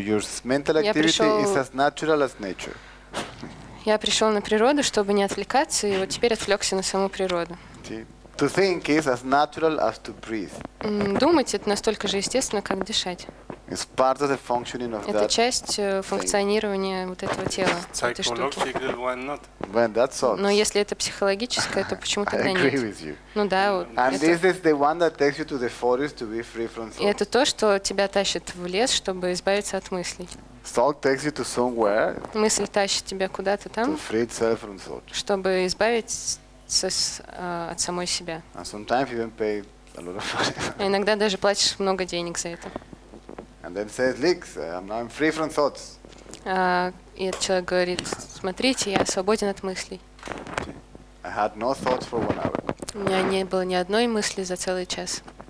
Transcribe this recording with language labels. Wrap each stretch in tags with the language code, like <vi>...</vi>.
<en>Your mental activity is as natural as nature.</en> <ru>Я пришел на природу, чтобы не отвлекаться, и вот теперь отвлекся на саму природу.</ru> <en>To think is as natural as to breathe.</en> <ru>Думать — это настолько же естественно, как дышать.</ru> <en>It's part of the functioning of that.</en> <ru>Это часть функционирования вот этого тела, этой штуки.</ru> <en>When that sucks.</en> <ru>Но если это психологическое, то почему тогда нет?</ru> <en>I agree with you.</en> <ru>Ну да, вот.</ru> <en>And</en> <ru>это...</ru> <en>this is the one that takes you to the forest to be free from thought.</en> <ru>И это то, что тебя тащит в лес, чтобы избавиться от мыслей.</ru> <en>Thought takes you to somewhere.</en> <ru>Мысль тащит тебя куда-то там.</ru> <en>To free itself from thought.</en> <ru>Чтобы избавить от самой себя.</ru> <en>And sometimes you even pay a lot of money.</en> <ru>И иногда даже платишь много денег за это.</ru> <en>And then says, I'm free from thoughts.</en> <ru>И этот человек говорит: смотрите, я свободен от мыслей.</ru> <en>I had no thoughts for one hour.</en> <ru>У меня не было ни одной мысли за целый час.</ru>